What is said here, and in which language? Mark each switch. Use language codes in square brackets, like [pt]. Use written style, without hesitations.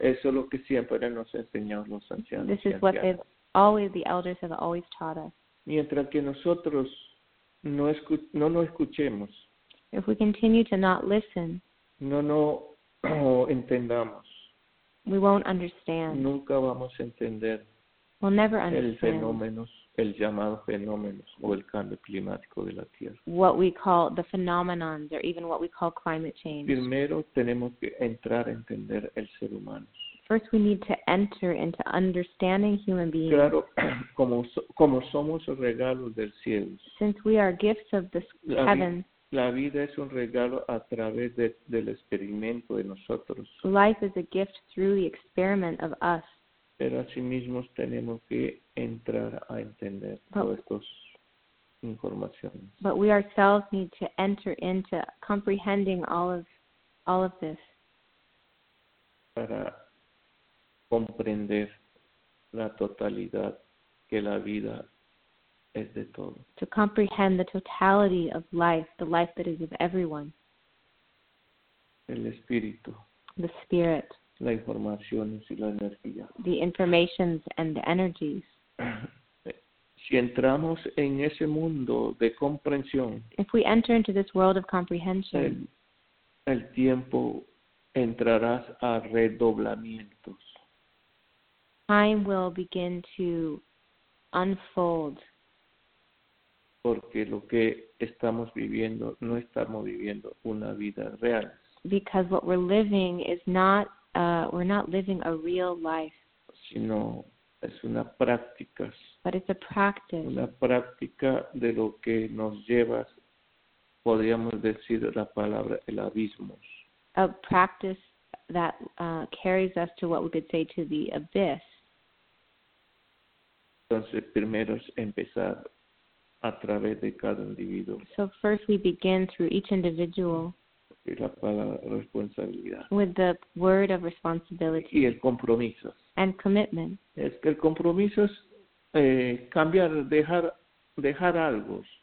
[es] Eso es lo que siempre nos enseñan los ancianos. [en] This is what they've always, the elders have always taught us. [es] Mientras que nosotros no nos escuchemos. [en] If we continue to not listen, [es] no entendamos. [en] We won't understand. [es] Nunca vamos a entender. [en] We'll never understand. [es] El fenómeno, el llamado fenómenos o el cambio climático de la Tierra. [en] What we call the phenomenons, or even what we call climate change. [es] Primero tenemos que entrar a entender el ser humano. [en] First, we need to enter into understanding human beings. [es] Claro, como somos regalos del cielo. [en] Since we are gifts of the heavens. [es] La vida es un regalo a través del experimento de nosotros. [en] Life is a gift through the experiment of us. [es] Pero asimismo tenemos que entrar a entender todas estas informaciones. [en] But we ourselves need to enter into comprehending all of this. [es] Para comprender la totalidad que la vida es de todo. [en] To comprehend the totality of life, the life that is of everyone. [es] El espíritu. [en] The spirit. [es] La información y la energía. [en] The informations and the energies. [es] Si entramos en ese mundo de comprensión. [en] If we enter into this world of comprehension. [es] El tiempo entrará a redoblamientos. [en] Time will begin to unfold. [es] Porque lo que estamos viviendo, no estamos viviendo una vida real. [en] Because what we're living is not, we're not living a real life. [es] Sino es una práctica. [en] But it's a practice. [es] Una práctica de lo que nos lleva, podríamos decir la palabra, el abismo. [en] A practice that carries us to what we could say to the abyss. [es] Entonces, primero es empezar a través de cada individuo. [en] So first we begin through each individual. [es] Y la palabra responsabilidad. [en] With the word of responsibility. [es] Y el compromiso. [en] And commitment. [es] Es que el compromiso es cambiar, dejar algo.